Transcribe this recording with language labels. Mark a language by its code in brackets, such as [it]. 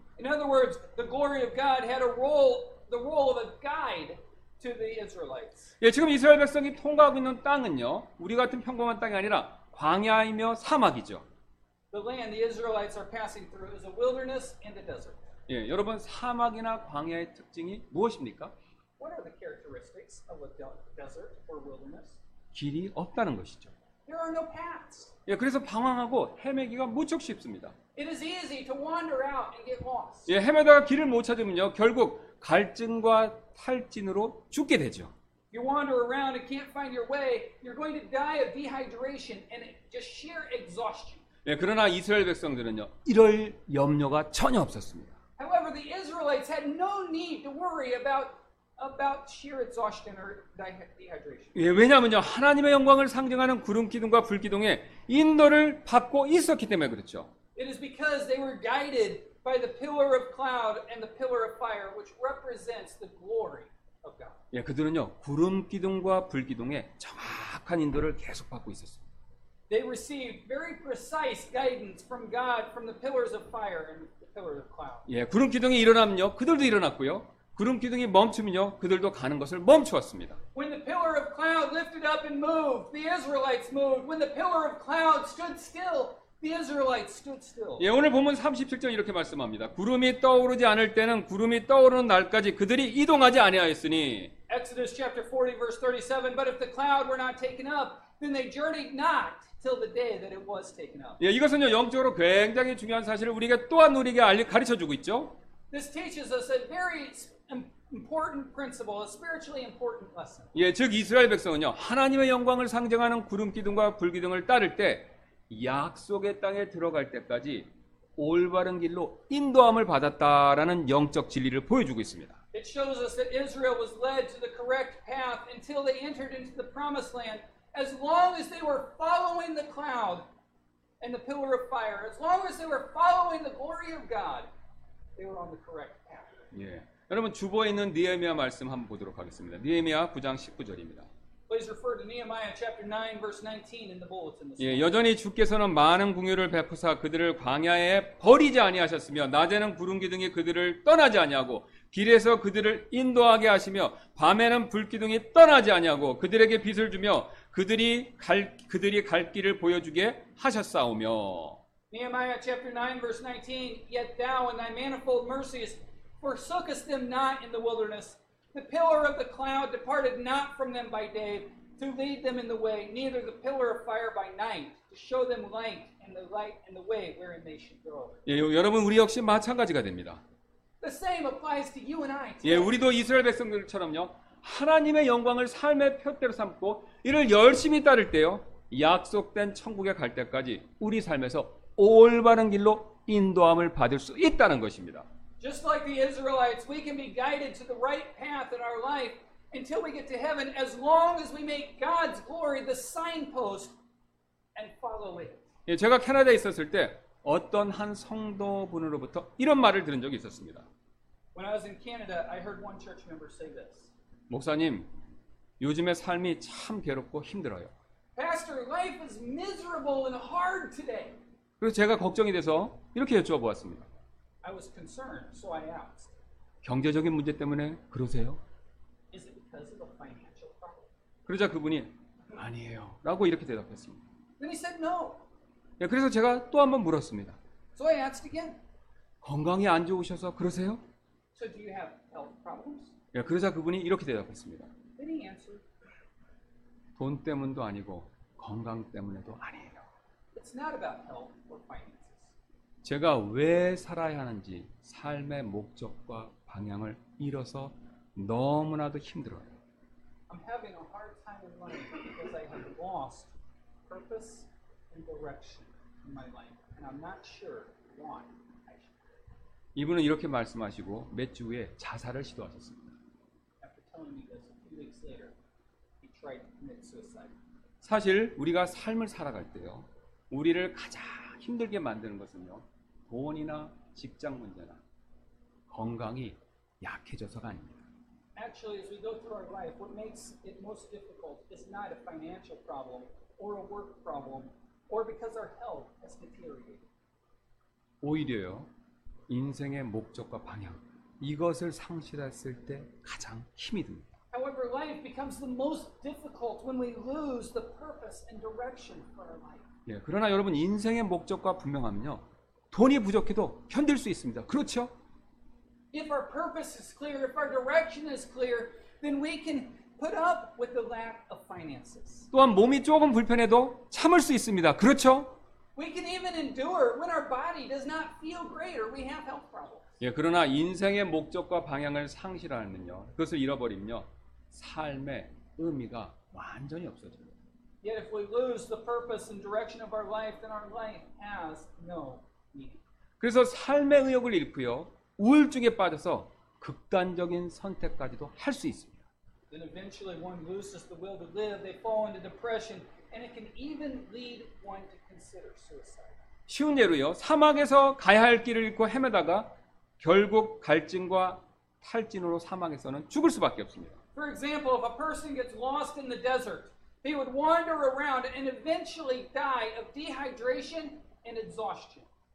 [en] In other words, the glory of God had a role, the role of a guide to the Israelites. [ko] 예, 지금 이스라엘 백성이 통과하고 있는 땅은요 우리 같은 평범한 땅이 아니라 광야이며 사막이죠. [en] The land the Israelites are passing through is a wilderness and a desert. [ko] 예, 여러분 사막이나 광야의 특징이 무엇입니까? [en] What are the characteristics of a desert or wilderness? [ko] 길이 없다는 것이죠. [en] There are no paths. [ko] 예, 그래서 방황하고 헤매기가 무척 쉽습니다. [en] It is easy to wander out and get lost. [ko] 예, 헤매다가 길을 못 찾으면요, 결국 갈증과 탈진으로 죽게 되죠. [en] You wander around and can't find your way. You're going to die of dehydration and just sheer exhaustion. [ko] 예, 그러나 이스라엘 백성들은요 이럴 염려가 전혀 없었습니다. [en] However, the Israelites had no need to worry about sheer exhaustion or dehydration. [ko] 예, 왜냐하면요 하나님의 영광을 상징하는 구름 기둥과 불 기둥의 인도를 받고 있었기 때문에 그렇죠. [en] It is because they were guided by the pillar of cloud and the pillar of fire, which represents the glory. [ko] 예, 그들은요 구름 기둥과 불 기둥의 정확한 인도를 계속 받고 있었습니다. [en] They received very precise guidance from God from the pillars of fire and the pillars of cloud. [ko] 예, 구름 기둥이 일어나면요 그들도 일어났고요. 구름 기둥이 멈추면요 그들도 가는 것을 멈추었습니다. [en] When the pillar of cloud lifted up and moved, the Israelites moved. When the pillar of cloud stood still, the Israelites stood still. [ko] 예, 오늘 본문 37절 이렇게 말씀합니다. 구름이 떠오르지 않을 때는 구름이 떠오르는 날까지 그들이 이동하지 아니하였으니. [en] Exodus chapter 40 verse 37. But if the cloud were not taken up, then they journeyed not till the day that it was taken up. [ko] 예, 이것은요 영적으로 굉장히 중요한 사실을 우리가 또한 우리에게 가르쳐 주고 있죠. [en] This teaches us a very important principle, a spiritually important lesson. [ko] 예, 즉 이스라엘 백성은요 하나님의 영광을 상징하는 구름 기둥과 불 기둥을 따를 때. 약속의 땅에 들어갈 때까지 올바른 길로 인도함을 받았다라는 영적 진리를 보여주고 있습니다. [en] It shows us that Israel was led to the correct path until they entered into the promised land. As long as they were following the cloud and the pillar of fire, as long as they were following the glory of God, they were on the correct path. [ko] 예. 여러분 주보에 있는 느헤미야 말씀 한번 보도록 하겠습니다. 느헤미야 9장 19절입니다. [en] Please refer to Nehemiah chapter 9 verse 19 in the bulletin this. [ko] 예, 여전히 주께서는 많은 긍휼을 베푸사 그들을 광야에 버리지 아니하셨으며 낮에는 구름 기둥이 그들을 떠나지 아니하고 길에서 그들을 인도하게 하시며 밤에는 불 기둥이 떠나지 아니하고 그들에게 빛을 주며 그들이 갈 길을 보여주게 하셨사오며. [en] Nehemiah chapter 9 verse 19. Yet thou in thy manifold mercies forsookest them not in the wilderness. The pillar of the cloud departed not from them by day to lead them in the way, neither the pillar of fire by night to show them light and the way wherein they should go. [ko] 예, 여러분 우리 역시 마찬가지가 됩니다. [en] The same applies to you and I. [ko] 예, 우리도 이스라엘 백성들처럼요 하나님의 영광을 삶의 표대로 삼고 이를 열심히 따를 때요 약속된 천국에 갈 때까지 우리 삶에서 올바른 길로 인도함을 받을 수 있다는 것입니다. [en] Just like the Israelites, we can be guided to the right path in our life until we get to heaven, as long as we make God's glory the signpost and follow it. [ko] 예, 제가 캐나다에 있었을 때 어떤 한 성도분으로부터 이런 말을 들은 적이 있었습니다. [en] When I was in Canada, I heard one church member say this. [ko] 목사님, 요즘에 삶이 참 괴롭고 힘들어요. [en] Pastor, life is miserable and hard today. [ko] 그래서 제가 걱정이 돼서 이렇게 여쭤보았습니다. [en] I was concerned, so I asked. [ko] 경제적인 문제 때문에 그러세요? [en] Is it because of the financial problem? [ko] 그러자 그분이 아니에요라고 이렇게 대답했습니다. [en] Then he said no. [ko] 예, 그래서 제가 또 한 번 물었습니다. [en] So I asked again. [ko] 건강이 안 좋으셔서 그러세요? [en] So do you have health problems? [ko] 예, 그러자 그분이 이렇게 대답했습니다. [en] Then he answered. [ko] 돈 때문도 아니고 건강 때문에도 아니에요. [en] It's not about health or finance. [ko] 제가 왜 살아야 하는지 삶의 목적과 방향을 잃어서 너무나도 힘들어요. [en] I'm having a hard time in life because I have lost purpose and direction in my life, and I'm not sure why. [ko] 이분은 이렇게 말씀하시고 몇 주 후에 자살을 시도하셨습니다. [en] After telling me this a few weeks later, he tried to commit suicide. [ko] 사실 우리가 삶을 살아갈 때요, 우리를 가장 힘들게 만드는 것은요, 돈이나 직장 문제나 건강이 약해져서가 아닙니다. [en] Actually, as we go through our life, what makes it most difficult is not a financial problem or a work problem or because our health has deteriorated. [ko] 오히려요. 인생의 목적과 방향 이것을 상실했을 때 가장 힘이 듭니다. [en] However, life becomes the most difficult when we lose the purpose and direction for our life. [ko] 예, 그러나 여러분 인생의 목적과 분명하면요 돈이 부족해도 견딜 수 있습니다. 그렇죠? [en] If our purpose is clear, if our direction is clear, then we can put up with the lack of finances. [ko] 또한 몸이 조금 불편해도 참을 수 있습니다. 그렇죠? [en] We can even endure when our body does not feel great or we have health problems. [ko] 예, 그러나 인생의 목적과 방향을 상실하면요, 그것을 잃어버리면요, 삶의 의미가 완전히 없어집니다. [en] Yet if we lose the purpose and direction of our life, then our life has no meaning. [ko] 그래서 삶의 의욕을 잃고요, 우울증에 빠져서 극단적인 선택까지도 할 수 있습니다. [en] Then eventually one loses the will to live, they fall into depression. And it can even lead one to consider suicide. [ko] 쉬운 예로요. 사막에서 가야 할 길을 잃고 헤매다가 결국 갈증과 탈진으로 사막에서는 죽을 수밖에 없습니다. [en] For example, if a person gets lost in the desert, they would wander around and eventually die of dehydration and exhaustion.